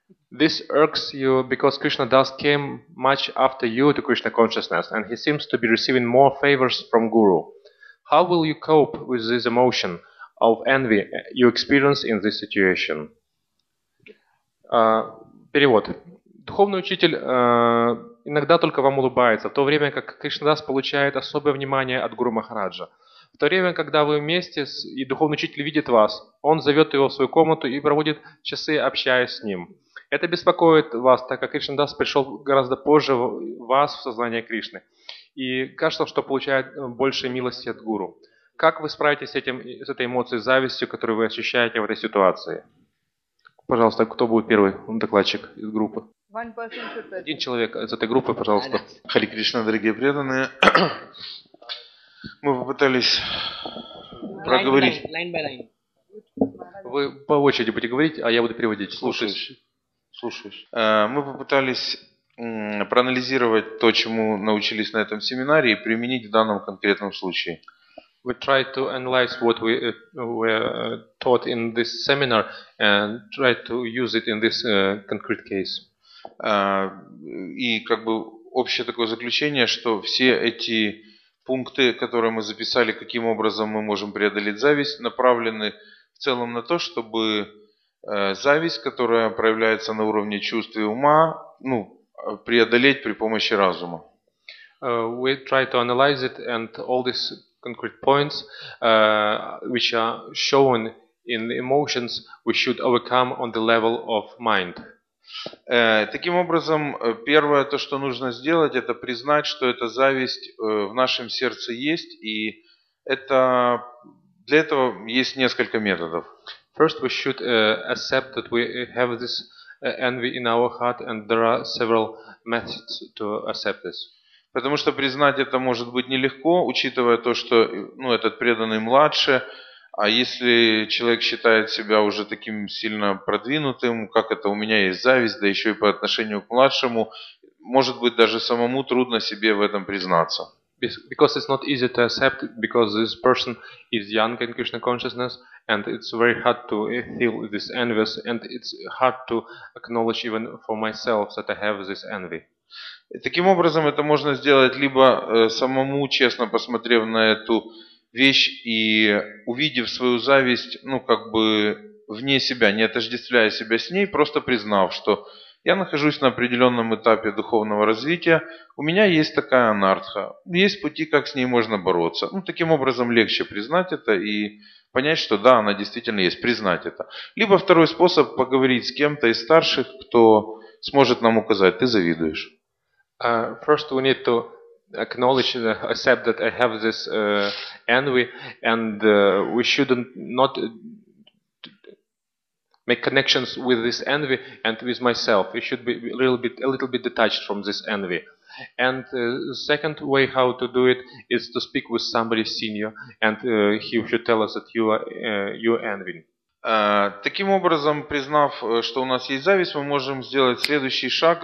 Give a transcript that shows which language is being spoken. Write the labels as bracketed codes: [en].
[en] This irks you because Krishna Das came much after you to Krishna consciousness, and he seems to be receiving more favors from Guru. How will you cope with this emotion of envy you experience in this situation? [ru] Перевод. Духовный учитель иногда только вам улыбается, в то время как Кришна Дас получает особое внимание от Гуру Махараджа. В то время, когда вы вместе и духовный учитель видит вас, он зовет его в свою комнату и проводит часы, общаясь с ним. Это беспокоит вас, так как Кришна Дас пришел гораздо позже вас в сознание Кришны. И кажется, что получает больше милости от Гуру. Как вы справитесь с этой эмоцией, завистью, которую вы ощущаете в этой ситуации? Пожалуйста, кто будет первый докладчик из группы? Один человек из этой группы, пожалуйста. Хари Кришна, дорогие преданные. Мы попытались проговорить. Вы по очереди будете говорить, а я буду переводить. Слушаюсь. Мы попытались проанализировать то, чему научились на этом семинаре, и применить в данном конкретном случае. [en] We try to analyze what we were taught in this seminar and try to use it in this concrete case. [ru] И как бы общее такое заключение, что все эти пункты, которые мы записали, каким образом мы можем преодолеть зависть, направлены в целом на то, чтобы зависть, которая проявляется на уровне чувств и ума, ну, преодолеть при помощи разума. [en] We try to analyze it and all this concrete points which are shown in the emotions we should overcome on the level of mind. [ru] Таким образом, первое то, что нужно сделать, это признать, что эта зависть в нашем сердце есть, и это для этого есть несколько методов. [en] First we should accept that we have this envy in our heart, and there are several methods to accept this. [ru] Потому что признать это может быть нелегко, учитывая то, что ну, этот преданный младше, а если человек считает себя уже таким сильно продвинутым, как это у меня есть зависть, да еще и по отношению к младшему, может быть даже самому трудно себе в этом признаться. [en] Because it's not easy to accept, because this person is young in Krishna consciousness, and it's very hard to feel this envy, and it's hard to acknowledge even for myself that I have this envy. [ru] И таким образом, это можно сделать либо самому, честно посмотрев на эту вещь и увидев свою зависть, ну, как бы вне себя, не отождествляя себя с ней, просто признав, что я нахожусь на определенном этапе духовного развития, у меня есть такая анартха, есть пути, как с ней можно бороться. Ну, таким образом, легче признать это и понять, что да, она действительно есть, признать это. Либо второй способ – поговорить с кем-то из старших, кто сможет нам указать, ты завидуешь. [en] First, we need to acknowledge, accept that I have this envy, and we should not make connections with this envy and with myself. We should be a little bit detached from this envy. And the second way how to do it is to speak with somebody senior, and he should tell us that you are envying. [ru] Таким образом, признав, что у нас есть зависть, мы можем сделать следующий шаг.